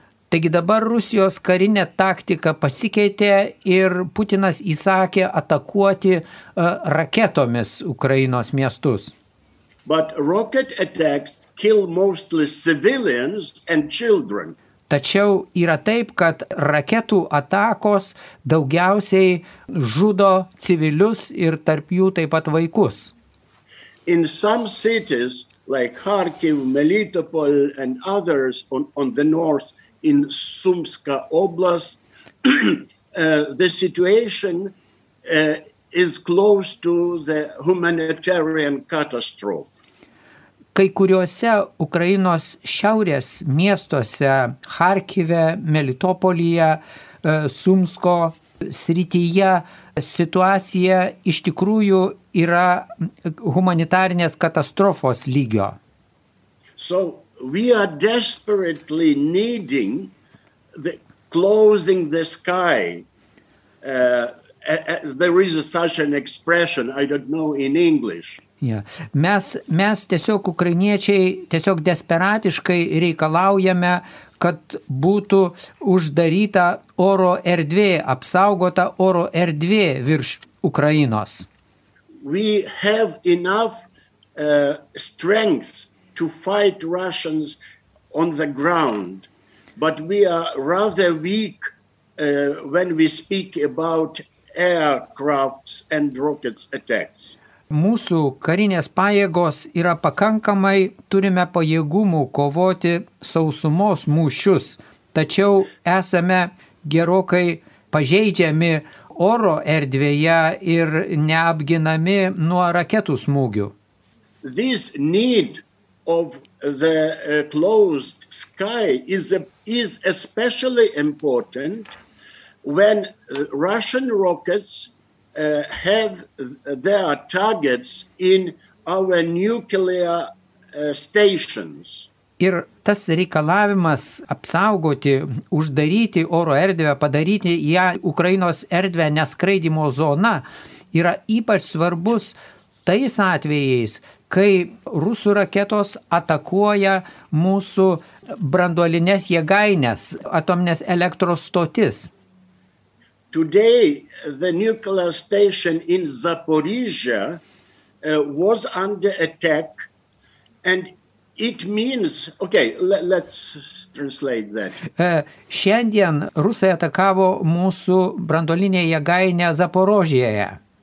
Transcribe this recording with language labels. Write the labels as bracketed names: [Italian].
[Lithuanian] Taigi dabar Rusijos karinė taktika pasikeitė ir Putinas įsakė atakuoti raketomis Ukrainos miestus. [English] But rocket attacks kill mostly civilians and children. [Lithuanian] Tačiau yra taip, kad raketų atakos daugiausiai žudo civilius ir tarp jų taip pat vaikus. [English] In some cities like Kharkiv, Melitopol and others on the north in Sumska oblast the situation is close to the humanitarian catastrophe. [Lithuanian] Kai kuriuose Ukrainos šiaurės miestuose, Kharkive, Melitopolyje, Sumsko srityje, situacija iš tikrųjų yra humanitarinės katastrofos lygio. [English] So we are desperately needing the closing the sky. There is such an expression, I don't know in English. Yeah. [Lithuanian] Mes tiesiog ukrainiečiai tiesiog desperatiškai reikalaujame, kad būtų uždaryta oro erdvė, apsaugota oro erdvė virš Ukrainos. [English] We have enough strength to fight Russians on the ground, but we are rather weak when we speak about aircrafts and rockets attacks. [Lithuanian] Mūsų karinės pajėgos yra pakankamai, turime pajėgumų kovoti sausumos mūšius, tačiau esame gerokai pažeidžiami oro erdvėje ir neapginami nuo raketų smūgių. [English] This need of the closed sky is especially important when Russian rockets have their targets in our nuclear stations. [Lithuanian] Ir tas reikalavimas apsaugoti, uždaryti oro erdvę, padaryti ją Ukrainos erdvę neskraidimo zona, yra ypač svarbus tais atvejais, kai rusų raketos atakuoja mūsų branduolinės jėgainės, atominės elektros stotis. [English] Today the nuclear station in Zaporizhia was under attack and it means okay let's translate that. [Lithuanian] Šiandien Rusai atakavo mūsų branduolinę jėgainę Zaporožėje.